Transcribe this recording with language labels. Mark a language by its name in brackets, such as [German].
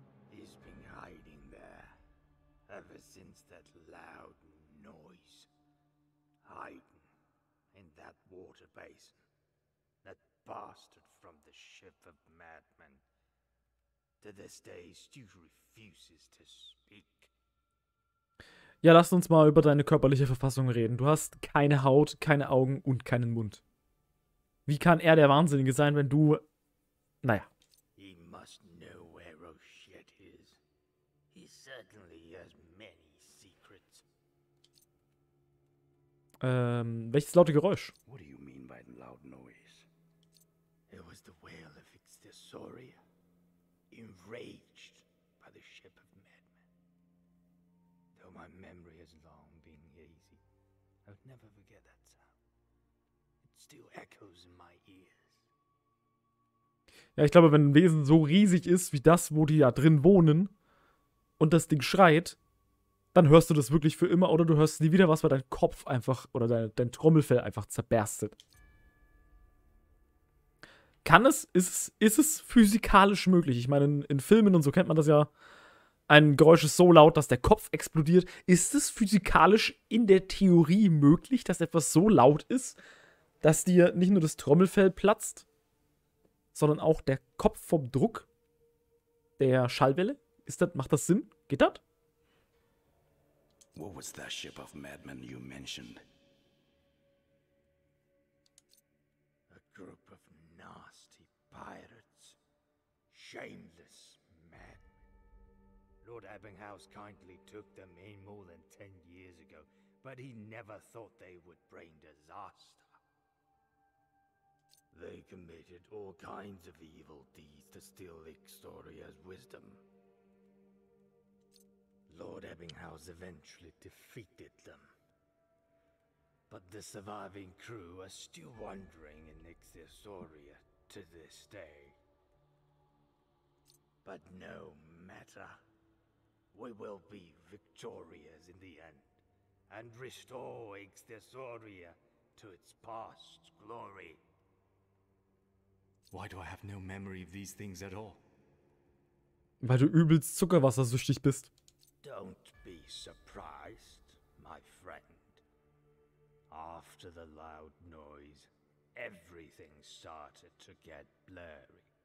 [English] He's been hiding there ever since that loud noise. Hiding in that water basin. That bastard from the ship of madmen. To this day, Stu refuses to speak. [German] Ja, lass uns mal über deine körperliche Verfassung reden. Du hast keine Haut, keine Augen und keinen Mund. Wie kann er der Wahnsinnige sein, wenn du. Naja. [English] He must know where Rochette is. He certainly has many secrets. [German] Welches laute Geräusch? [English] What do you mean by the loud noise? It was the wail of Ichthyosauria, enraged by the ship of madmen. Though my memory has long been hazy, I would never forget that sound. It still echoes in my ears. [German] Ja, ich glaube, wenn ein Wesen so riesig ist, wie das, wo die da drin wohnen, und das Ding schreit, dann hörst du das wirklich für immer, oder du hörst nie wieder was, weil dein Kopf einfach, oder dein Trommelfell einfach zerberstet. Kann es, ist es physikalisch möglich? Ich meine, in Filmen und so kennt man das ja, ein Geräusch ist so laut, dass der Kopf explodiert. Ist es physikalisch in der Theorie möglich, dass etwas so laut ist, dass dir nicht nur das Trommelfell platzt, sondern auch der Kopf vom Druck der Schallwelle? Ist das, macht das Sinn? Geht das? [English] What was that ship of madmen you mentioned? A group of nasty pirates. Shameless men. Lord Ebbinghaus kindly took them in more than 10 years ago, but he never thought they would bring disaster. They committed all kinds of evil deeds to steal Ichthyosauria's wisdom. Lord Ebbinghaus eventually defeated them. But the surviving crew are still wandering in Ichthyosauria to this day. But no matter. We will be victorious in the end. and restore Ixthiosauria to its past glory. Why do I have no memory of these things at all? [German] Weil du übelst zuckerwassersüchtig bist. [English] Don't be surprised, my friend. After the loud noise, everything started to get blurry.